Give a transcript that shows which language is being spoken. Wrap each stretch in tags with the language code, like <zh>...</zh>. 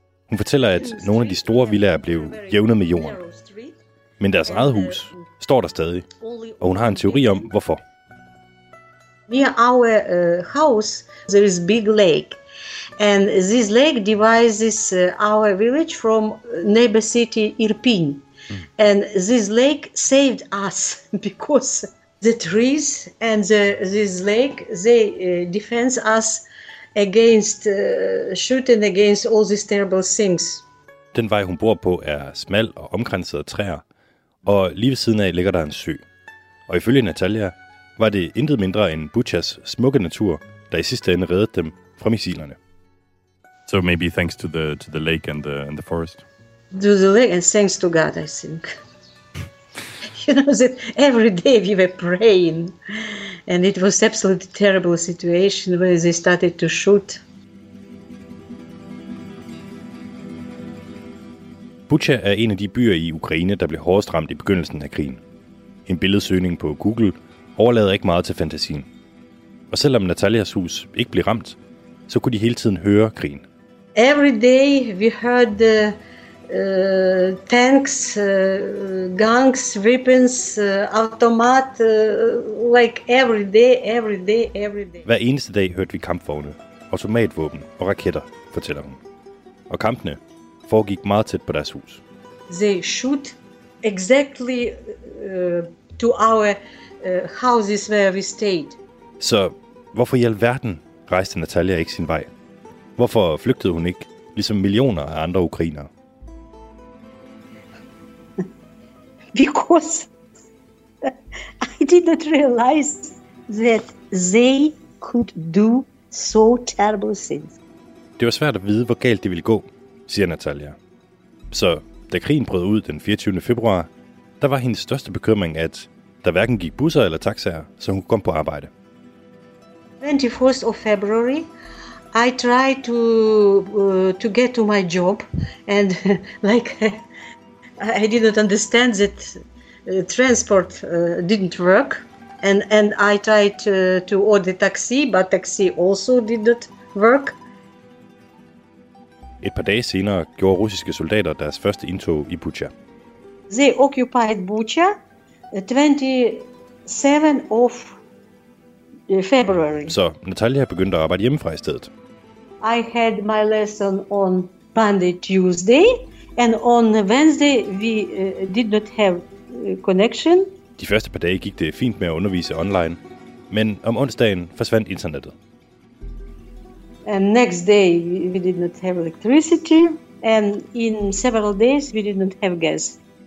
<da>Hun fortæller, at nogle af de store villaer blev jævnet med jorden, men deres eget hus står der stadig, og hun har en teori om hvorfor.</da> <en>Near our house there is big lake, and this lake divides our village from neighbor city Irpin, and this lake saved us because the trees and this lake they defend us against shooting against all these terrible things.</en> <da>Den vej hun bor på er smal og omkranset af træer. Og lige ved siden af ligger der en sø. Og ifølge Natalia var det intet mindre end Buchas smukke natur, der i sidste ende reddede dem fra missilerne.</da> <en>So maybe thanks to the lake and the forest. To the lake and thanks to God, I think. You know that every day we were praying, and it was absolutely terrible situation where they started to shoot.</en> <da>Bucha er en af de byer i Ukraine, der blev hårdest ramt i begyndelsen af krigen. En billedsøgning på Google overlader ikke meget til fantasien. Og selvom Natalias hus ikke blev ramt, så kunne de hele tiden høre krigen.</da> <en>Every day we heard tanks, guns, weapons, automat, like every day.</en> <da>Hver eneste dag hørte vi kampvogne, automatvåben og raketter, fortæller hun. Og kampene foregik meget tæt på deres hus.</da> <en>They shoot exactly to our houses where we stayed.</en> <da>Så hvorfor i alverden rejste Natalia ikke sin vej? Hvorfor flygtede hun ikke, ligesom millioner af andre ukrainere?</da> <en>Because I did not realize that they could do so terrible things.</en> <da>Det var svært at vide, hvor galt det ville gå, siger Natalia. Så da krigen brød ud den 24. februar, der var hendes største bekymring, at der hverken gik busser eller taxaer, så hun kunne komme på arbejde.</da> <en>21st of February, I tried to get to my job, and like I did not understand that transport didn't work. And I tried to order taxi, but taxi also didn't work.</en> <da>Et par dage senere gjorde russiske soldater deres første indtog i Bucha.</da> <en>They occupied Bucha 27 of February.</en> <da>Så Natalia begyndte at arbejde hjemmefra i stedet.</da> <en>I had my lesson on Monday, Tuesday, and on Wednesday we did not have connection.</en> <da>De første par dage gik det fint med at undervise online, men om onsdagen forsvandt internettet.</da> <en>And next day we did not have electricity, and in several days we did not have gas.</en>